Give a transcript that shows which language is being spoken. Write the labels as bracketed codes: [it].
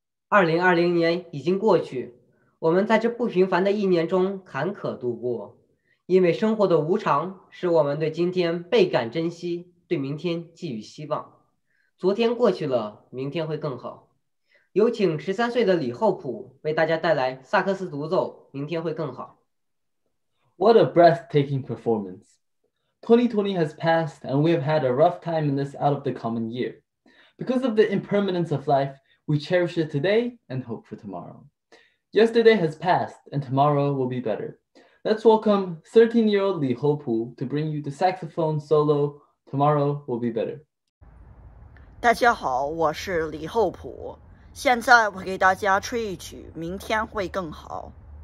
[zh] 2020年已经过去，我们在这不平凡的一年中坎坷度过，因为生活的无常使我们对今天倍感珍惜，对明天寄予希望。昨天过去了，明天会更好。有请13岁的李厚朴为大家带来萨克斯独奏《明天会更好》。 [en] What a breathtaking performance. 2020 has passed and we have had a rough time in this out of the common year. Because of the impermanence of life, we cherish it today and hope for tomorrow. Yesterday has passed and tomorrow will be better. Let's welcome 13-year-old Li Houpu to bring you the saxophone solo, Tomorrow Will Be Better. [zh] 大家好，我是李厚朴，现在我给大家吹一曲《明天会更好》。